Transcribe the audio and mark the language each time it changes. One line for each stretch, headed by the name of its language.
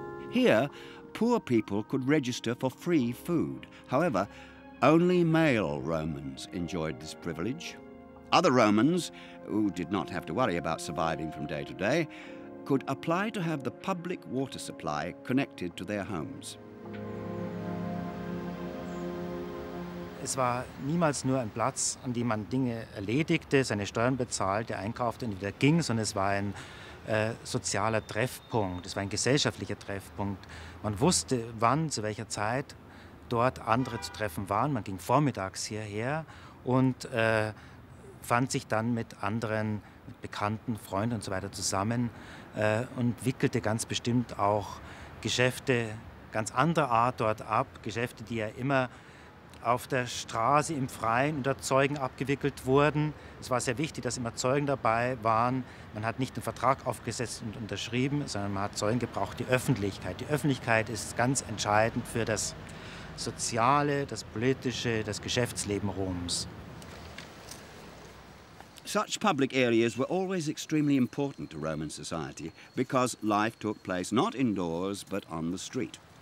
English: Here, poor people could register for free food. However, only male Romans enjoyed this privilege. Other Romans, who did not have to worry about surviving from day to day, could apply to have the public water supply connected to their homes.
German: Es war niemals nur ein Platz, an dem man Dinge erledigte, seine Steuern bezahlte, einkaufte und wieder ging, sondern es war ein sozialer Treffpunkt, es war ein gesellschaftlicher Treffpunkt. Man wusste, wann, zu welcher Zeit dort andere zu treffen waren. Man ging vormittags hierher und fand sich dann mit anderen, mit Bekannten, Freunden und so weiter zusammen und wickelte ganz bestimmt auch Geschäfte ganz anderer Art dort ab, Geschäfte, die ja immer auf der Straße im Freien unter Zeugen abgewickelt wurden. Es war sehr wichtig, dass immer Zeugen dabei waren. Man hat nicht einen Vertrag aufgesetzt und unterschrieben, sondern man hat Zeugen gebraucht, die Öffentlichkeit. Die Öffentlichkeit ist ganz entscheidend für das Soziale, das Politische, das Geschäftsleben Roms.
English: Such public areas were always extremely important to Roman society, because life took place not indoors, but on the street.